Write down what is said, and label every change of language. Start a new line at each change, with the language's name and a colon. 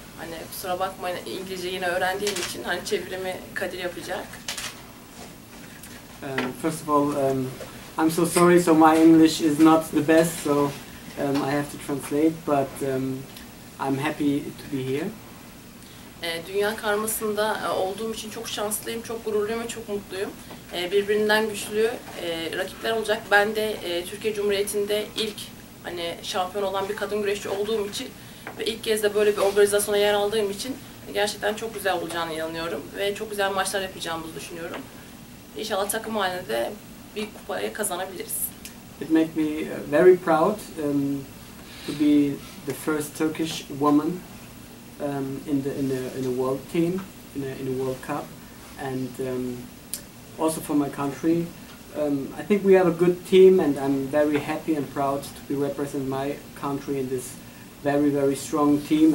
Turkish: Hani kusura bakmayın İngilizce yine öğrendiğim için hani çevirimi Kadir yapacak.
English: First of all, I'm so sorry. So my English is not the best. So I have to translate, but I'm happy to be here.
Turkish: Dünya karmasında olduğum için çok şanslıyım, çok gururluyum ve çok mutluyum. Birbirinden güçlü rakipler olacak. Ben de Türkiye Cumhuriyeti'nde ilk hani şampiyon olan bir kadın güreşçi olduğum için ve ilk kez de böyle bir organizasyona yer aldığım için gerçekten çok güzel olacağını inanıyorum ve çok güzel maçlar yapacağımızı düşünüyorum. İnşallah takım halinde de bir kupayı kazanabiliriz.
English: It makes me very proud to be the first Turkish woman in the world team in a World Cup, and also for my country. I think we have a good team, and I'm very happy and proud to be representing my country in this very very strong team.